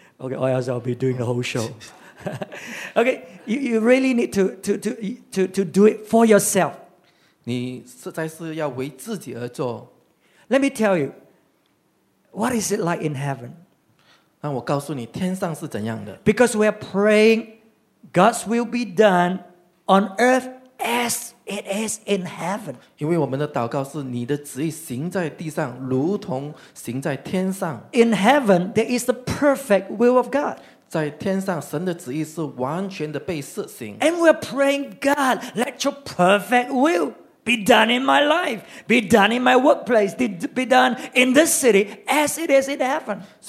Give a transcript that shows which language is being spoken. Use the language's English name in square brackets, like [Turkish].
[English] Okay, or else I'll be doing the whole show. Okay, you really need to do it for yourself. [Chinese] 你实在是要为自己而做. [English] Let me tell you, what is it like in heaven? [Chinese] 让我告诉你天上是怎样的. [English] Because we are praying, God's will be done on earth as it is in heaven. [Chinese] 因为我们的祷告是你的旨意行在地上，如同行在天上。 [English] In heaven, there is the perfect will of God. [Chinese] 在天上，神的旨意是完全的被实行。 [English] And we're praying, God, let your perfect will be done in my life, be done in my workplace, be done in this city as it is in heaven.